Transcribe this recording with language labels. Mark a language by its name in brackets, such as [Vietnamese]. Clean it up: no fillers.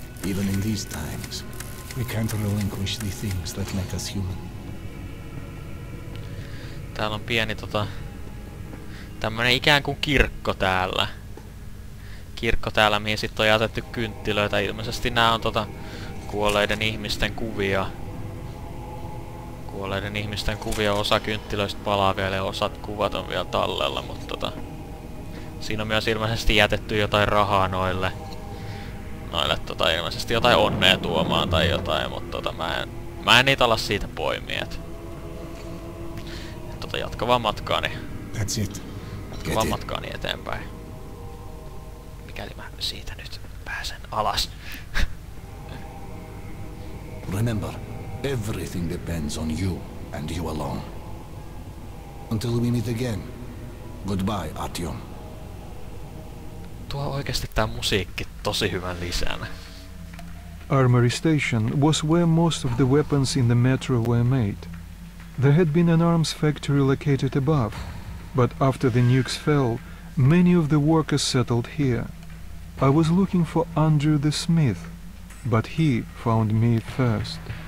[English] Even in these times, we can't relinquish the things that make us human. [Finnish] Täällä on pieni tota... tämmönen ikään kuin kirkko täällä. Kirkko täällä, mihin sit on jätetty kynttilöitä. Ilmeisesti nää on tota... kuolleiden ihmisten kuvia. Kuolleiden ihmisten kuvia, osa kynttilöistä palaa vielä ja osat kuvat on vielä tallella, mutta tota... siinä on myös ilmeisesti jätetty jotain rahaa noille. Noille tota ilmeisesti jotain onnea tuomaan tai jotain, mutta tota mä en niitä ala siitä poimia, et tota jatka vaan matkaani. [English] That's it. [Finnish] Jatka vaan matkaani eteenpäin. Mikäli mä siitä nyt pääsen alas. [English] Remember, everything depends on you and you alone. Until we meet again. Goodbye, Artyom. [Finnish] Tuo oikeesti tää musiikki tosi hyvän lisän. [English] Armory Station was where most of the weapons in the metro were made. There had been an arms factory located above, but after the nukes fell, many of the workers settled here. I was looking for Andrew the Smith, but he found me first.